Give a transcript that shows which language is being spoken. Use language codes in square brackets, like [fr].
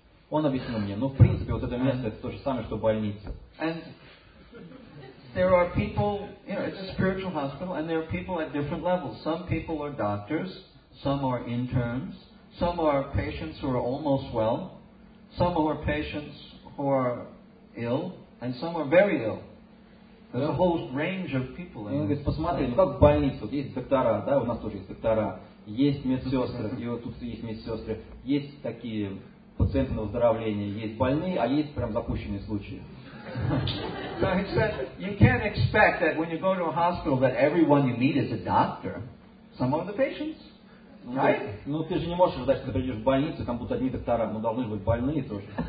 [ru] Он объяснил мне, ну в принципе вот это место это то же самое, что больница. [en] And there are people, you know, it's a spiritual hospital, and there are people at different levels. Some people are doctors, some are interns, some are patients who are almost well, some are patients who are ill, and some are very ill. There's a whole range of people. [ru] Он говорит, посмотри, ну как в больнице, вот есть доктора, да, у нас тоже есть доктора. Есть медсестры, и вот тут есть медсестры. Есть такие пациенты на выздоровление, есть больные, а есть прям запущенные случаи. [en] Now he said, you can't expect that when you go to a hospital that everyone you meet is a doctor. Some of the patients, right? [ru] Ну ты же не можешь ждать, что ты придешь в больницу, там будут одни доктора, но должны быть больные тоже.